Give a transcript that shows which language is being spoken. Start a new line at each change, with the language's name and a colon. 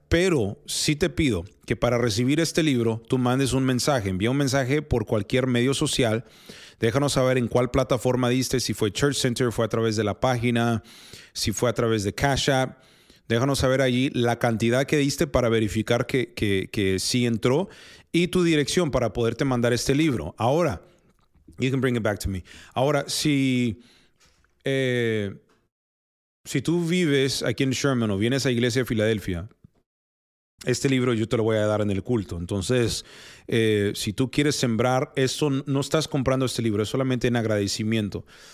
Spanish: Pero sí te pido que para recibir este libro, tú mandes un mensaje, envía un mensaje por cualquier medio social, déjanos saber en cuál plataforma diste, si fue Church Center, fue a través de la página, si fue a través de Cash App. Déjanos saber allí la cantidad que diste para verificar que sí entró y tu dirección para poderte mandar este libro. Ahora,
English: you can bring it back to me.
Spanish: Ahora, si tú vives aquí en Sherman o vienes a Iglesia de Filadelfia, este libro yo te lo voy a dar en el culto. Entonces, si tú quieres sembrar esto, no estás comprando este libro, es solamente en agradecimiento.